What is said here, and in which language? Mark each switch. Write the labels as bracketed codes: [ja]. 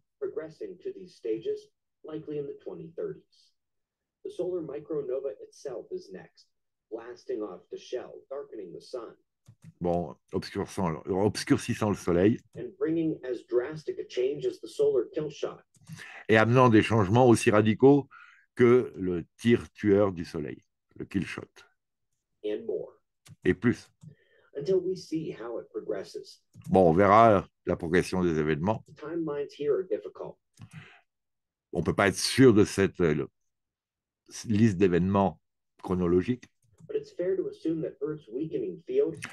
[en] Progressing to these stages, likely in the 2030s. The solar micronova itself is next. Blasting off the shell, darkening the sun. [fr] Bon, obscurcissant le soleil. [en] And bringing as drastic a change as the solar kill shot. [fr] Et amenant des changements aussi radicaux que le tir tueur du soleil, le kill shot. [en] And more. [fr] Et plus. [en] Until we see how it progresses. [fr] Bon, on verra la progression des événements. [en] The timelines here are difficult. [fr] On ne peut pas être sûr de cette liste d'événements chronologiques. [en] But it's fair to assume that Earth's weakening field...